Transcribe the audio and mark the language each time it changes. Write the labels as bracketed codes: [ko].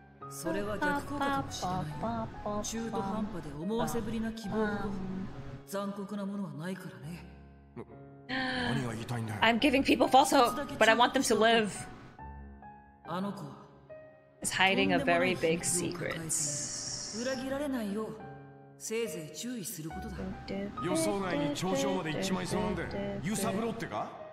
[ja] それは逆効果かもしれない。中途半端で思わせぶりな希望も残酷なものはないからね。何が言いたいんだよ。 [en] I'm giving people false hope, but I want them to live. [ja] あの子 [en] is hiding a very big secret. [ja] 裏切られないよう、せいぜい注意することだ。予想外に頂上まで行っちまいそうなんで、揺さぶろってか。